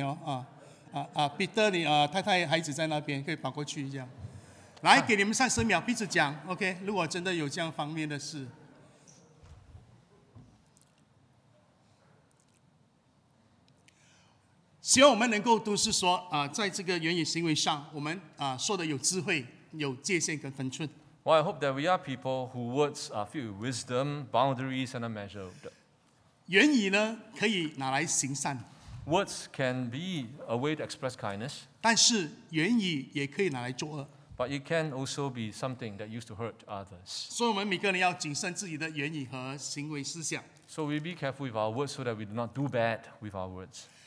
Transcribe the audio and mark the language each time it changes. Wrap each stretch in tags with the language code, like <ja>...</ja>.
<zh>若不在的话也可以说打电话，或者跑去对面那边哦。Peter, 你太太孩子在那边，可以跑过去这样。来，给你们30秒彼此讲， OK, 如果真的有这样方面的事。希望我们能够都是说，在这个言语行为上，我们说的有智慧、有界限跟分寸。</zh> <en>Well, I hope that we are people who words are filled with wisdom, boundaries, and a measure.</en> <zh>言语呢可以拿来行善。</zh> <en>Words can be a way to express kindness.</en> <zh>但是言语也可以拿来作恶。</zh> <en>But it can also be something that used to hurt others.</en> <zh>所以我们每个人要谨慎自己的言语和行为思想。</zh> <en>So we be careful with our words so that we do not do bad with our words.</en>